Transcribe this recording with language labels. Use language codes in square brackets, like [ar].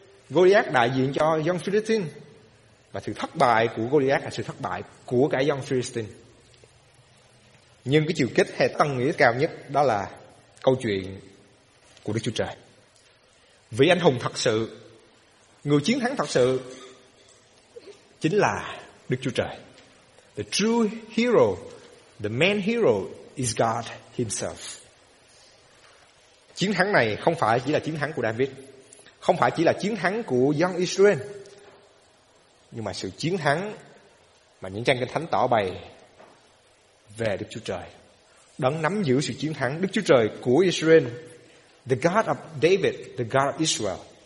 [vi] Goliath đại diện cho dân Philistine, và sự thất bại của Goliath là sự thất bại của cả dân Philistine. Nhưng cái chiều kích hay tầng nghĩa cao nhất, đó là câu chuyện của Đức Chúa Trời. Vị anh hùng thật sự, người chiến thắng thật sự, chính là Đức Chúa Trời. [en] The true hero, the main hero is God himself. [vi] Chiến thắng này không phải chỉ là chiến thắng của David, không phải chỉ là chiến thắng của dân Israel, nhưng mà sự chiến thắng mà những trang Kinh Thánh tỏ bày về Đức Chúa Trời, đấng nắm giữ sự chiến thắng, Đức Chúa Trời của Israel, [en] the God of David, the God of Israel.